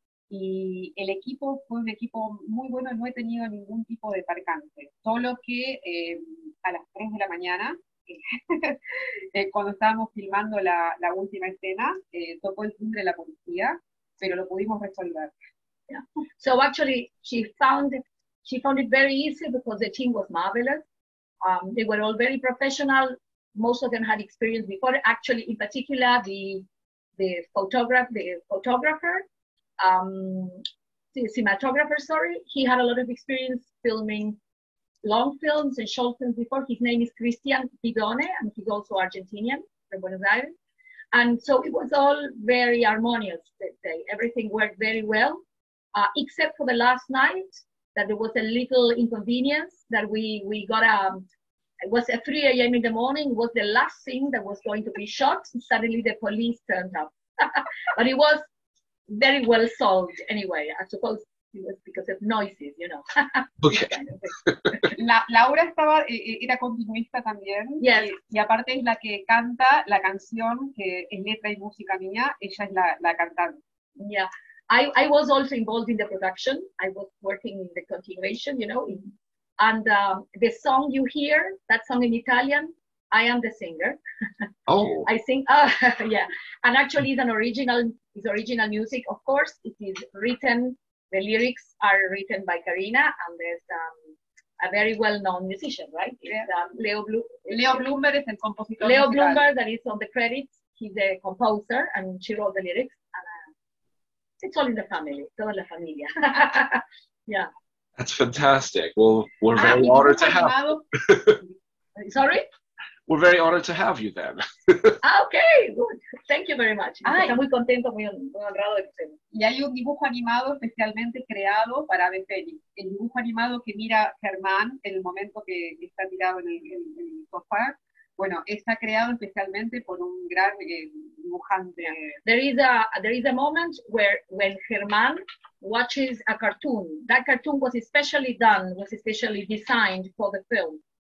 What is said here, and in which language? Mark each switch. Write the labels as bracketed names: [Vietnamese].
[Spanish] Y el equipo fue un equipo muy bueno y no he tenido ningún tipo de percance. Solo que a las 3 de la mañana, cuando estábamos filmando la última escena, tocó el timbre de la policía, pero lo pudimos resolver. [English] Yeah. So actually, she found it very easy because the team was marvelous. They were all very professional. Most of them had experience before. Actually, in particular, the cinematographer, he had a lot of experience filming long films and short films before. His name is Cristian Bidone, and he's also Argentinian from Buenos Aires. And so it was all very harmonious, let's say. Everything worked very well, except for the last night, that there was a little inconvenience that we got it was at 3 a.m. in the morning, was the last scene that was going to be shot, and suddenly the police turned up. But it was very well solved anyway, I suppose. It was because of noises, you know. Okay. [Spanish] Laura estaba, era continuista también. [English] Yes. [Spanish] Y aparte es la que canta la canción, que es letra y música mía, ella es la cantante. [English] Yeah. I was also involved in the production. I was working in the continuation, you know. And the song you hear, that song in Italian, I am the singer. Oh. I sing, yeah. And actually it's original music, of course. It is written. The lyrics are written by Karina, and there's a very well-known musician, right? Yeah. It's Leo Bloomberg is the compositor. Leo Bloomberg, that is on the credits. He's a composer, and she wrote the lyrics. And, it's all in the family. [Spanish] Toda la familia. [English] Yeah. That's fantastic. Well, we're very honored to have you. Sorry? We're very honored to have you then. Okay, good. Thank you very much. [Spanish] Estoy muy contento, muy honrado de que estén. Y hay un dibujo animado especialmente creado para Ave Fénix. El dibujo animado que mira Germán en el momento que está tirado en el sofá, bueno, está creado especialmente por un gran dibujante. [English] There is a moment where when Germán watches a cartoon. That cartoon was especially designed for the film.